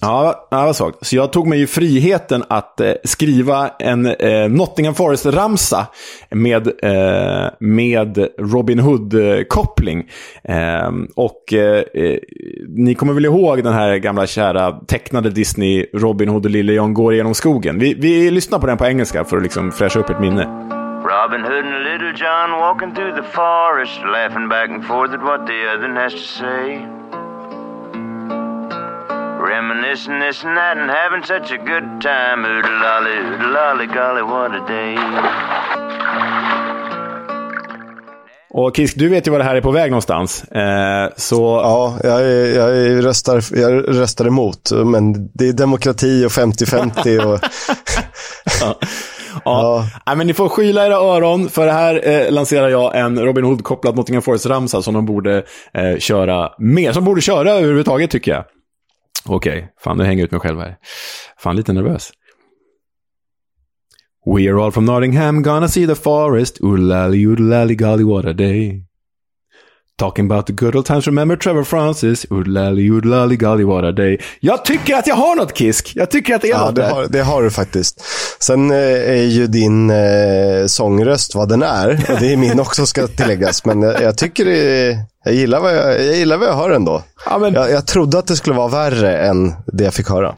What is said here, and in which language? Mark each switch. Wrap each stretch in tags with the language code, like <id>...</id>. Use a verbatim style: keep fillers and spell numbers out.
<sv>Ja, det var svagt. Så jag tog mig ju friheten att eh, skriva en eh, Nottingham Forest-ramsa med, eh, med Robin Hood-koppling. Eh, och eh, ni kommer väl ihåg den här gamla kära tecknade Disney Robin Hood och Lille John går genom skogen. Vi, vi lyssnar på den på engelska för att liksom fräscha upp ett minne.</sv> <en>Robin Hood and Little John walking through the forest, laughing back and forth at what the other has to say. Reminiscing this and that and having such a good time. Oodle-lolly, oodle-lolly, golly, what a day.</en> <sv>Och Kisk, du vet ju vad det här är på väg någonstans. Eh, så... Ja, jag, jag, röstar, jag röstar emot. Men det är demokrati och femtio femtio. Och... ja. Ja. Ja. Ja, men ni får skyla era öron. För det här eh, lanserar jag en Robin Hood kopplad Nottingham Forest-ramsa som de borde eh, köra mer. Som borde köra överhuvudtaget, tycker jag. Okej, okay. Fan, nu hänger jag ut mig själv här. Fan, lite nervös.</sv> <en>We're all from Nottingham, gonna see the forest. Oodlally, oodlally, golly, what a day. Talking about the good old times, remember Trevor Francis. Oodlally, oodlally, golly, what a day.</en> <sv>Jag tycker att jag har något, Kisk. Jag tycker att det är ja, något det har, det har du faktiskt. Sen eh, är ju din eh, sångröst vad den är. Och det är min också, ska tilläggas. Men jag, jag tycker det är... Jag gillar vad jag, jag gillar vad jag hör ändå. Ja, men, jag, jag trodde att det skulle vara värre än det jag fick höra.</sv>